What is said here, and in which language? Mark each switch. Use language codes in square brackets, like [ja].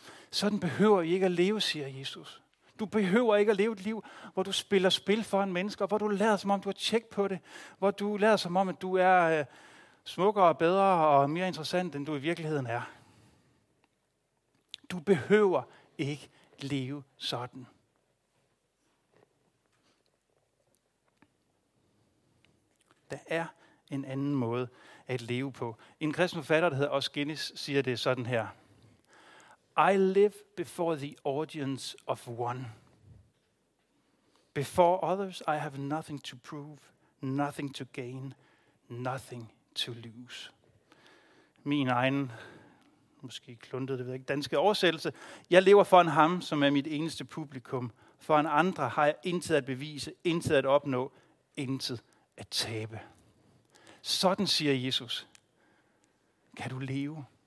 [da] Sådan behøver I ikke at leve, siger Jesus. Du behøver ikke at leve et liv, hvor du spiller spil foran mennesker, hvor du lader som om, du har tjek på det, hvor du lader som om, at du er smukkere og bedre og mere interessant, end du i virkeligheden er. Du behøver ikke leve sådan. Der er en anden måde at leve på. En kristen forfatter, der hedder Os Guinness, siger det sådan her. [en] I live before the audience of one. Before others, I have nothing to prove, nothing to gain, nothing to lose. [da] Min egen, måske kluntet, det ved jeg ikke, danske oversættelse. Jeg lever foran ham, som er mit eneste publikum. Foran andre har jeg intet at bevise, intet at opnå, intet at tabe. Sådan siger Jesus. Kan du leve?